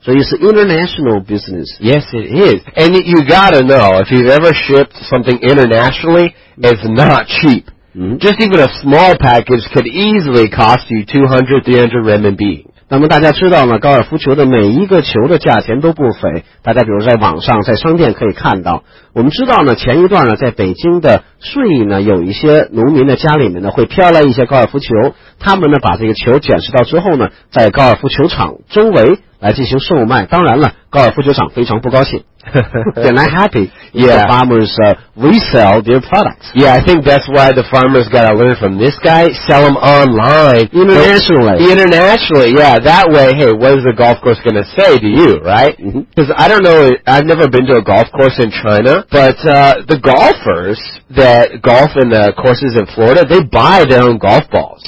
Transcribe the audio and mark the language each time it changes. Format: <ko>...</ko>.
<zh>所以是</zh> <en>international business. Yes, it is. And you gotta know, if you've ever shipped something internationally, it's not cheap. Just even a small package could easily cost you 200-300 renminbi.</en> <zh>那么大家知道呢，高尔夫球的每一个球的价钱都不菲，大家比如在网上在商店可以看到。我们知道呢，前一段呢，在北京的顺义呢，有一些农民的家里面呢会飘来一些高尔夫球，他们呢把这个球捡拾到之后呢，在高尔夫球场周围来进行售卖。当然了，高尔夫球场非常不高兴。</zh> <en>They're not happy. Yeah. The farmers, resell their products. Yeah, I think that's why the farmers gotta learn from this guy. Sell them online. Internationally. Internationally, yeah. That way, hey, what is the golf course gonna say to you, right? Because I don't know, I've never been to a golf course in China, but, the golfers that golf in the courses in Florida, they buy their own golf balls.</en>